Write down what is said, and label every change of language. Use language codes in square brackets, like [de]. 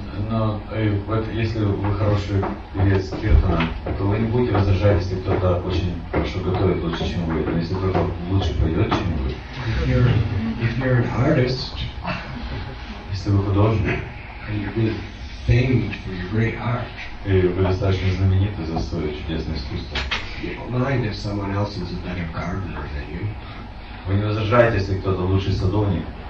[ru] Но вот если вы хороший певец киртана, то вы не будете возражать, если кто-то очень хорошо готовит лучше, чем вы. Но если кто-то лучше поет, чем вы. [en] If you're an artist, [ru] если вы художник, [en] and you're famed for your great art, [ru] и вы достаточно знамениты за свое чудесное искусство, [en] mind if someone else is a better gardener than you. [ru] Вы не возражаете, если кто-то лучший садовник.